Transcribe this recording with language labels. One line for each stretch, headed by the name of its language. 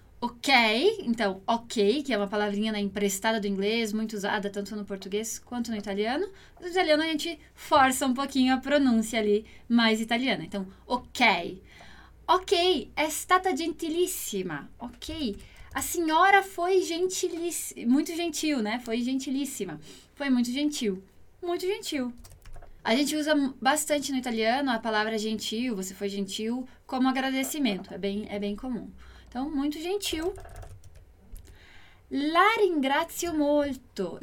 Portuguese: Ok, então, ok, che è una palavrinha emprestada do inglês,
Italian: molto usata
Portuguese: tanto no português quanto no italiano. No italiano a gente força
Italian: un pochino
Portuguese: a pronúncia ali, mais italiana. Então, ok.
Italian: Ok, è stata gentilissima, ok.
Portuguese: A senhora foi gentilíssima, muito gentil, né? Foi gentilíssima. Foi muito gentil. Muito gentil. A gente usa bastante no italiano a palavra gentil, você foi gentil, como agradecimento. É bem comum. Então, muito gentil.
Italian: La ringrazio molto.